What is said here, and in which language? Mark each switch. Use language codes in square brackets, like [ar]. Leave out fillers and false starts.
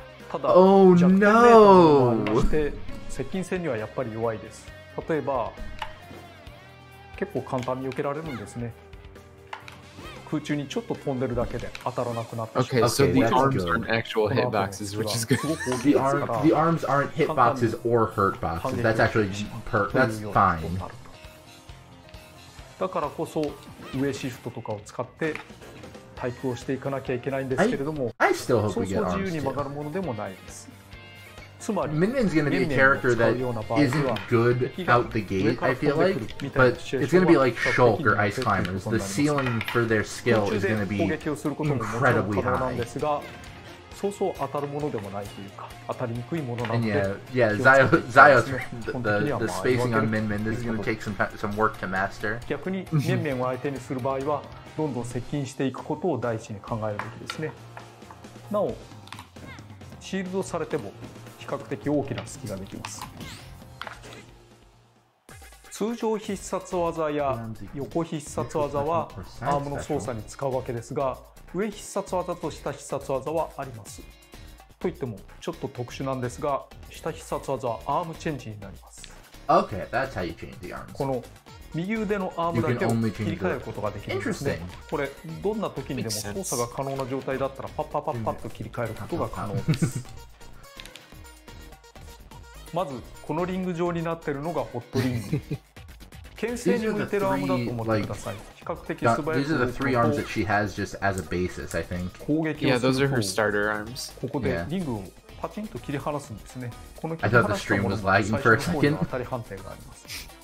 [ja] ただ弱点メーターの方もありまして接近戦にはやっぱり弱いです。例えば結構簡単に避けられるんですね。空中にちょっと飛んでるだけで当たらなくなってしまう。 [en] Okay, so the arms aren't actual hitboxes, which is good. The arms aren't hitboxes or hurtboxes. That's actually perfect. That's fine. [ja] だからこそ上シフトとかを使ってタイプをしていかなきゃいけないんですけれども、 [en] I still hope we get arms. [ja] そう自由に曲がるものでもないです。つまり、 [en] Minion's gonna be a character that isn't good out the gate, I feel like, but it's gonna be like Shulk or Ice Climbers. The ceiling for their skill is gonna be incredibly high. [ja] そうそう当たるものでもないというか当たりにくいものなので [en] Zio's the spacing on Min Min. This is going to take some work to master. [ja] 逆に Min Min を相手にする場合はどんどん接近していくことを第一に考えるべきですね。なおシールドされても比較的大きな隙ができます。通常必殺技や横必殺技はアームの操作に使うわけですが、上必殺技と下必殺技はあります。といってもちょっと特殊なんですが、下必殺技はアームチェンジになります。 [en] Okay, that's how you change the arms. [ja] この右腕のアームだけを切り替えることができるんですね。これどんな時にでも操作が可能な状態だったらパッパッパッパッと切り替えることが可能です。まずこのリング状になっているのがホットリング。牽制に向いてるアームだと思ってください。 [en] These are the three arms that she has just as a basis, I think. Yeah, those are her starter arms. [ja] ここでリングをパチンと切り離すんですね。この切り離したものの最初の方に当たり判定があります。